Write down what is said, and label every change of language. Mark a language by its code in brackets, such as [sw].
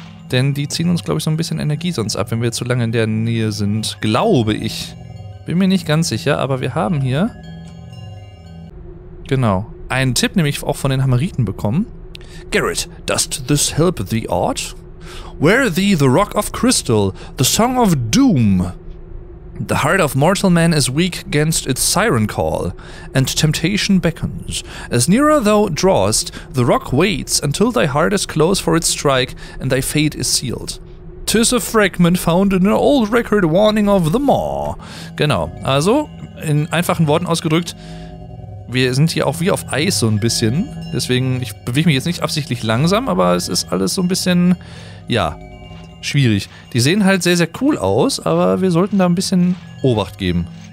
[de] Denn die ziehen uns, glaube ich, so ein bisschen Energie sonst ab, wenn wir zu lange in der Nähe sind. Glaube ich. Bin mir nicht ganz sicher, aber wir haben hier genau einen Tipp, nämlich auch von den Hammeriten bekommen. [en] Garrett, dost this help thee aught? Wear thee the Rock of Crystal, the Song of Doom. The heart of mortal man is weak against its siren call, and temptation beckons. As nearer thou drawest, the rock waits until thy heart is closed for its strike and thy fate is sealed. 'Tis a fragment found in an old record warning of the maw. [de] Genau, also in einfachen Worten ausgedrückt, wir sind hier auch wie auf Eis so ein bisschen. Deswegen, ich bewege mich jetzt nicht absichtlich langsam, aber es ist alles so ein bisschen, ja, schwierig. Die sehen halt sehr, sehr cool aus, aber wir sollten da ein bisschen Obacht geben.